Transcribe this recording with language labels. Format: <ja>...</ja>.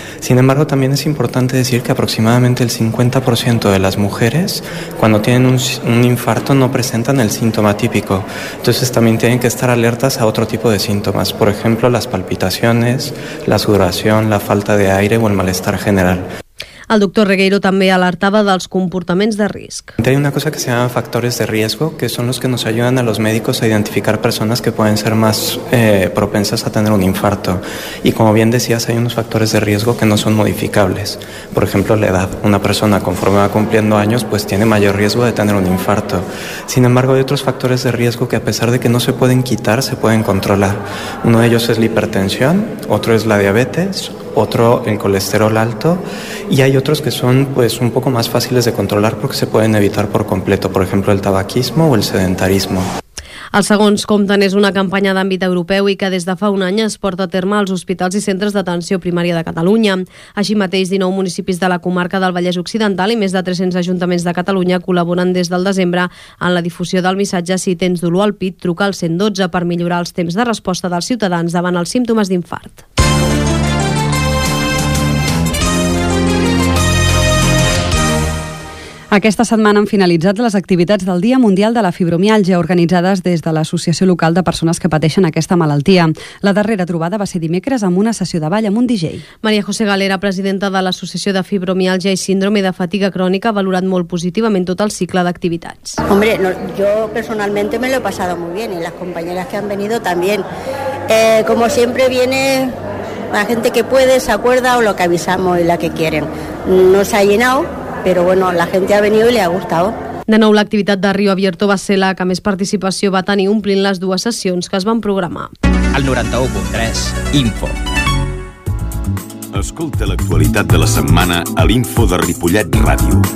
<es>Sin embargo, también es importante decir que aproximadamente el 50% de las mujeres cuando tienen un infarto no presentan el síntoma típico. Entonces también tienen que estar alertas a otro tipo de síntomas, por ejemplo, las palpitaciones, la sudoración, la falta de aire o el malestar general.</es> <ca>El doctor Regueiro també alertava dels comportaments de risc.</ca> <es>Hay una cosa que se llama factores de riesgo, que son los que nos ayudan a los médicos a identificar personas que pueden ser más propensas a tener un infarto. Y como bien decías, hay unos factores de riesgo que no son modificables. Por ejemplo, la edad. Una persona, conforme va cumpliendo años, pues tiene mayor riesgo de tener un infarto. Sin embargo, hay otros factores de riesgo que, a pesar de que no se pueden quitar, se pueden controlar. Uno de ellos es la hipertensión, otro es la diabetes, otro el colesterol alto, y hay otros que son pues un poco más fáciles de controlar porque se pueden evitar por completo, por ejemplo el tabaquismo o el sedentarismo.</es> <ca>Els segons compten és una campanya d'àmbit europeu i que des de fa un any es porta a terme als hospitals i centres d'atenció primària de Catalunya. Així mateix, 19 municipis de la comarca del Vallès Occidental i més de 300 ajuntaments de Catalunya col·laboren des del desembre en la difusió del missatge "Si tens dolor al pit, truca al 112 per millorar els temps de resposta dels ciutadans davant els símptomes d'infart. Aquesta setmana han finalitzat les activitats del Dia Mundial de la Fibromiàlgia organitzades des de l'Associació Local de Persones que Pateixen aquesta malaltia. La darrera trobada va ser dimecres amb una sessió de ball amb un DJ. Maria José Galera, presidenta de l'Associació de Fibromiàlgia i Síndrome de Fatiga Crònica, ha valorat molt positivament tot el cicle d'activitats.</ca> <es>Hombre, no, yo personalmente me lo he pasado muy bien y las compañeras que han venido también. Como siempre viene la gente que puede, se acuerda o lo que avisamos y la que quieren. No se ha llenado.</es> <ca>Però bueno, la gent ha venit i li ha gustat. De nou, l'activitat de Rio Abierto va ser la que més participació va tenir, omplint les dues sessions que es van programar. El 91.3 Info. Escolta l'actualitat de la setmana a l'Info de Ripollet Ràdio.</ca>